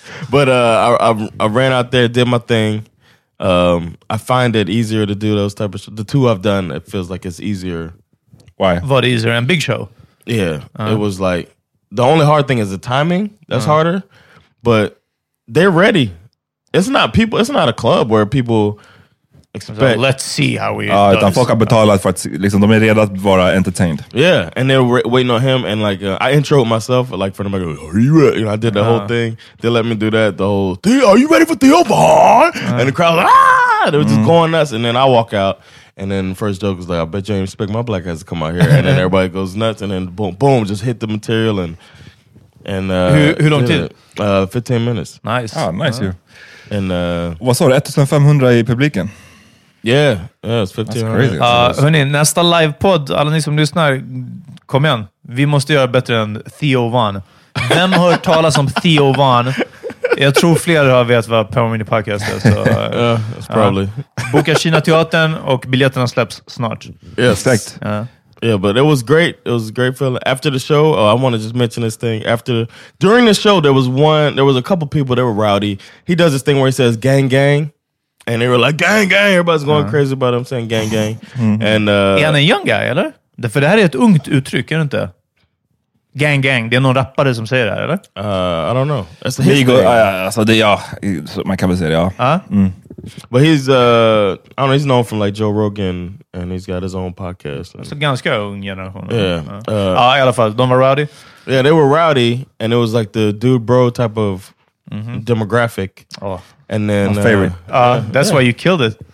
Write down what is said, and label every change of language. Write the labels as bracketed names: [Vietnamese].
[English] But I ran out there, did my thing. I find it easier to do those type of shows. The two I've done, it feels like it's easier. Why? What easier? And Big Show. Yeah. It was like, the only hard thing is the timing. That's harder. But they're ready. It's not people, it's not a club where people expect. So let's see how we. [Swedish] Utan folk har betalat för att, liksom, de är redo att vara entertained. [English] Yeah. And they're waiting on him. And like, I introed myself, like, for them, I go, are you ready? You know, I did the whole thing. They let me do that, the whole, are you ready for Theo Vaughn? And the crowd, they were just going nuts. And then I walk out. And then the first joke was like, I bet you ain't expect my black ass to come out here. And then everybody goes nuts. And then boom, boom, just hit the material. And Who don't did it? 15 minutes. Nice. Oh, nice. Yeah. And [Swedish] vad sa du, 1500 i publiken? [English] Yeah, yeah, it's 1500. That's crazy. [Swedish] Hörni, nästa live-podd, alla ni som lyssnar, kom igen. Vi måste göra bättre än Theo Vaughn. Vem har hört talas om Theo Vaughn? Jag tror fler har vet vad Power Mini Podcast är. [English] That's probably. [Swedish] Boka Kina Teatern och biljetterna släpps snart. [English] Yes. Exakt. Yeah, but it was great. It was a great feeling. After the show, oh, I want to just mention this thing. During the show, there was a couple people that were rowdy. He does this thing where he says, gang, gang. And they were like, gang, gang. Everybody's going crazy about him saying gang, gang. [Swedish] Är han en [English] young guy, [Swedish] eller? För det här är ett ungt uttryck, är det inte? Gang, gang. Det är någon rappare som säger det här, eller? [English] I don't know. That's the history. [Swedish] Alltså, det är man kan väl säga det, ja. [English] But he's I don't know, he's known from like Joe Rogan, and he's got his own podcast. It's a [Swedish] ganska ung generation. [English] Yeah. I got a fuss. Don't were rowdy? Yeah, they were rowdy, and it was like the dude bro type of demographic. Oh. And then my favorite. That's why you killed it.